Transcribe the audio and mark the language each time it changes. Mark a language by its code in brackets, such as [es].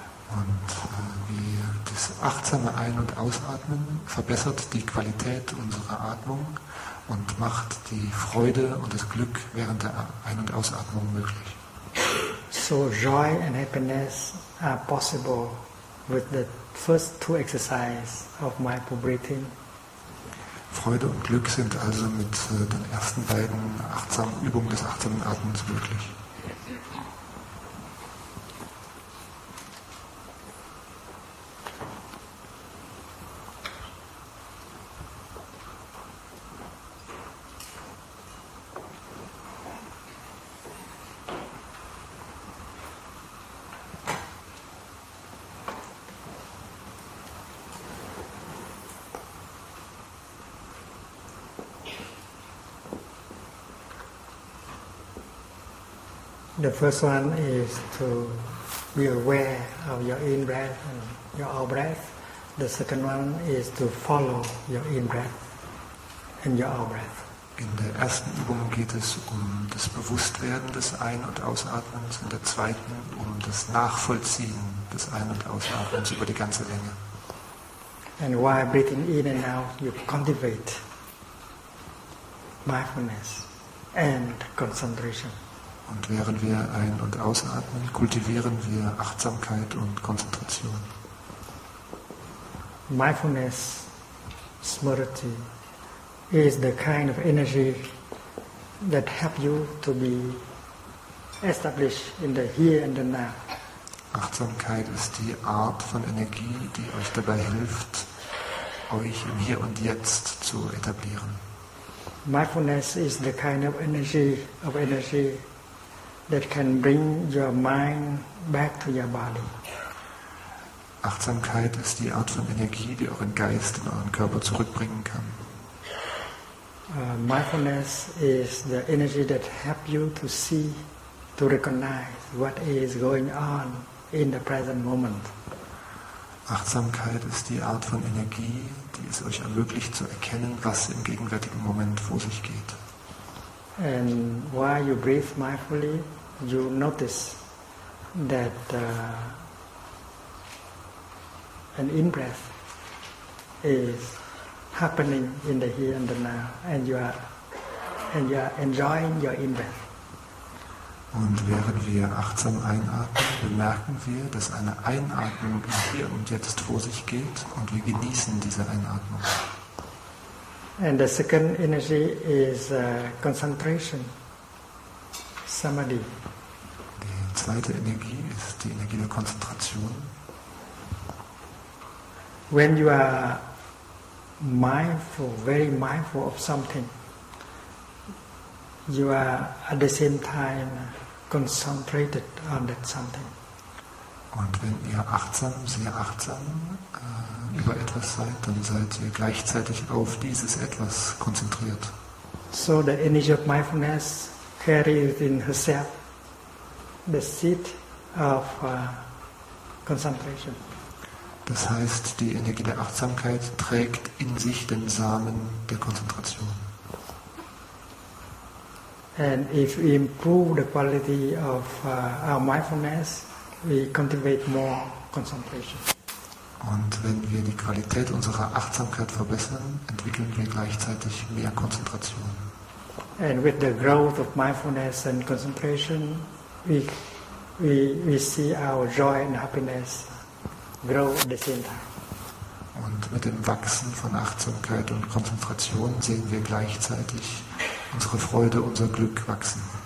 [de] Und wie das achtsame Ein- und Ausatmen verbessert die Qualität unserer Atmung und macht die Freude und das Glück während der Ein- und Ausatmung möglich. [en] So joy and happiness are possible with the first 2 exercises of mindful breathing. [de] Freude und Glück sind also mit den ersten beiden achtsamen Übungen des achtsamen Atmens möglich. [en] The first one is to be aware of your in-breath and your out-breath. The second one is to follow your in-breath and your out-breath. [de] In der ersten Übung geht es um das Bewusstwerden des Ein- und Ausatmens, in der zweiten um das Nachvollziehen des Ein- und Ausatmens über die ganze Länge. [en] And while breathing in and out, you cultivate mindfulness and concentration. [de] Und während wir ein- und ausatmen, kultivieren wir Achtsamkeit und Konzentration. [en] Mindfulness, smriti, is the kind of energy that helps you to be established in the here and the now. [de] Achtsamkeit ist die Art von Energie, die euch dabei hilft, euch im Hier und Jetzt zu etablieren. [en] Mindfulness is the kind of energy that can bring your mind back to your body. [de] Achtsamkeit ist die Art von Energie, die euren Geist in euren Körper zurückbringen kann. [en] Mindfulness is the energy that helps you to see, to recognize what is going on in the present moment. [de] Achtsamkeit ist die Art von Energie, die es euch ermöglicht zu erkennen, was im gegenwärtigen Moment vor sich geht. [en] And while you breathe mindfully, you notice that an in-breath is happening in the here and the now, and you are enjoying your in-breath. [de] Und während wir achtsam einatmen, bemerken wir, dass eine Einatmung im Hier und Jetzt vor sich geht, und wir genießen diese Einatmung. [en] And the second energy is concentration, samadhi. [de] Die zweite Energie ist die Energie der Konzentration. [en] When you are mindful, very mindful of something, you are at the same time concentrated on that something. [de] Und wenn ihr achtsam, sehr achtsam über etwas seid, dann seid ihr gleichzeitig auf dieses Etwas konzentriert. [en] So the energy of mindfulness carries in herself the seed of concentration. [de] Das heißt, die Energie der Achtsamkeit trägt in sich den Samen der Konzentration. [en] And if we improve the quality of our mindfulness, we cultivate more concentration. [de] Und wenn wir die Qualität unserer Achtsamkeit verbessern, entwickeln wir gleichzeitig mehr Konzentration. [en] And with the growth of mindfulness and concentration, we see our joy and happiness grow at the same time. [de] Und mit dem Wachsen von Achtsamkeit und Konzentration sehen wir gleichzeitig unsere Freude, unser Glück wachsen.